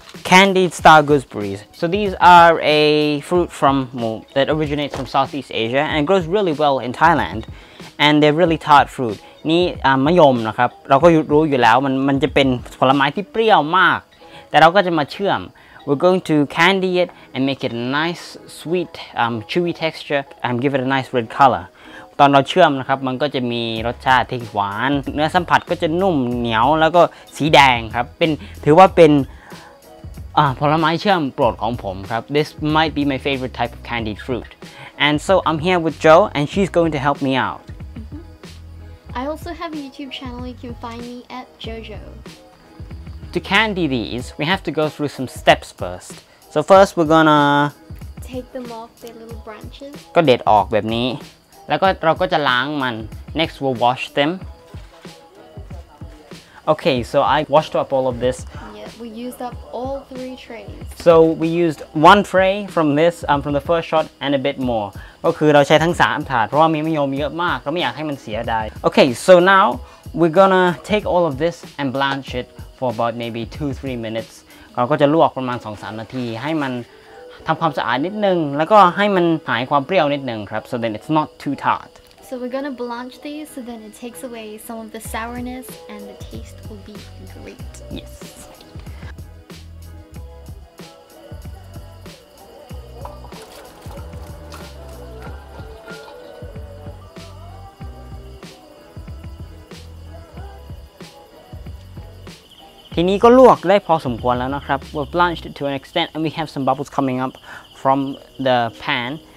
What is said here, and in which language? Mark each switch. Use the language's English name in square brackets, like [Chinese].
[English] candied star gooseberries So these are a fruit from that originates from Southeast Asia and grows really well in Thailand and they're really tart fruit [Thai] นี่มะยมนะครับเราก็รู้อยู่แล้วมันจะเป็นผลไม้ที่เปรี้ยวมากแต่เราก็จะมาเชื่อม [English] We're going to candy it and make it a nice, sweet, chewy texture and give it a nice red color. [Thai] ตอนเราเชื่อมนะครับมันก็จะมีรสชาติที่หวานเนื้อสัมผัสก็จะนุ่มเหนียวแล้วก็สีแดงครับเป็นถือว่าเป็นผลไม้เชื่อมโปรดของผมครับ [English] This might be my favorite type of candied fruit. And so I'm here with Jo and she's going to help me out. Mm-hmm. I also have a YouTube channel. You can find me at Jojo. To candy these, we have to go through some steps first. So first we're gonna... Take them off their little branches. [Thai] ก็เด็ดออกแบบนี้แล้วก็เราก็จะล้างมัน [English] Next we'll wash them. Okay, so I washed up all of this. Yeah, we used up all three trays. So we used one tray from this, from the first shot and a bit more. [Thai] ก็คือเราใช้ทั้ง3ถาดเพราะว่ามีมะยมเยอะมากเราไม่อยากให้มันเสียดาย [English] Okay, so now we're gonna take all of this and blanch it. For about maybe 2-3 minutes [Thai] เราก็จะลวกประมาณ 2-3 นาทีให้มันทำความสะอาดนิดนึงแล้วก็ให้มันหายความเปรี้ยวนิดนึงครับ [English] so then it's not too tart so we're gonna blanch these so then it takes away some of the sourness and the taste will be great yes [Thai] ทีนี้ก็ลวกได้พอสมควรแล้วนะครับ [English] We've blanched it to an extent and we have some bubbles coming up from the pan